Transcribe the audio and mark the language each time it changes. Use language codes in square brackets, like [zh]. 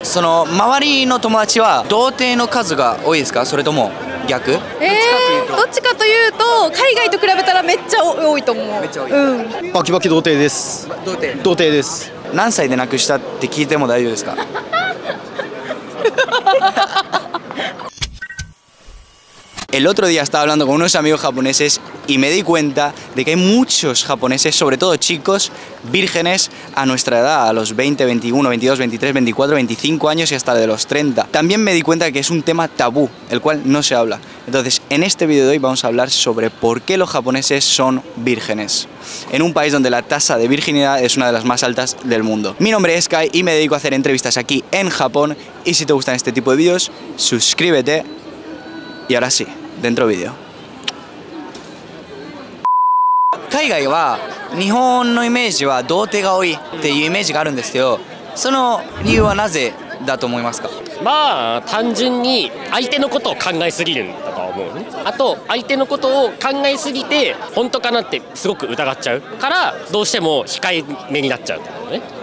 [ja] その周りの友達は童貞の数が多いですか、それとも逆？どっちかというと海外と比べたらめっちゃ多いと思う。めっちゃ多い、うん、バキバキ童貞です。童貞、童貞です。何歳でなくしたって聞いても大丈夫ですか？ [es] El otro día estaba hablando con unos amigos japoneses y me di cuenta de que hay muchos japoneses, sobre todo chicos, vírgenes a nuestra edad, a los 20, 21, 22, 23, 24, 25 años y hasta de los 30. También me di cuenta de que es un tema tabú, el cual no se habla. Entonces, en este video de hoy vamos a hablar sobre por qué los japoneses son vírgenes. En un país donde la tasa de virginidad es una de las más altas del mundo. Mi nombre es Kai y me dedico a hacer entrevistas aquí en Japón. Y si te gustan este tipo de videos, suscríbete. Y ahora sí, dentro vídeo. [ja] 海外は日本のイメージは童貞が多いっていうイメージがあるんですけど、その理由はなぜだと思いますか？まあ単純に相手のことを考えすぎるんだと思う。あと相手のことを考えすぎて本当かなってすごく疑っちゃうから、どうしても控えめになっちゃうと思うね。